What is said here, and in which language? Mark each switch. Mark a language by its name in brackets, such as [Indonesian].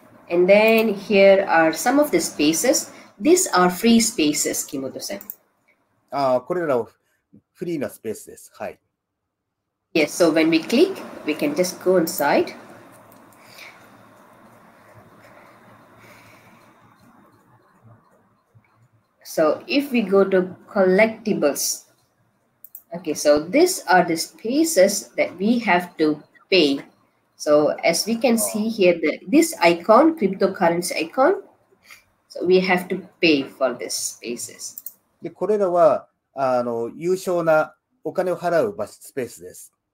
[English] And then here are some of the spaces. These are free spaces, Kimoto-san. [Japanese] これらはフリーなスペースです。はい。 [English] Yes, so when we click, we can just go inside. So if we go to collectibles, okay, so these are the spaces that we have to pay. So as we can see here, this icon, cryptocurrency icon, so we have to pay for these spaces. [Japanese] で、これらは、優勝なお金を払うスペースです。